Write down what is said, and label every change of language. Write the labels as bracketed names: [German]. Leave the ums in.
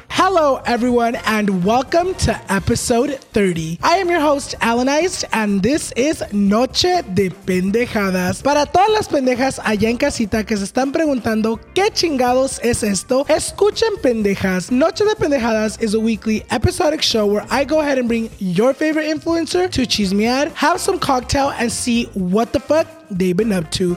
[English] Hello, everyone, and welcome to episode 30. I am your host, Alan Ice, and this is Noche de Pendejadas. [Spanish] Para todas las pendejas allá en casita que se están preguntando qué chingados es esto, escuchen pendejas. [English] Noche de Pendejadas is a weekly episodic show where I go ahead and bring your favorite influencer to chismear, have some cocktail, and see what the fuck they've been up to.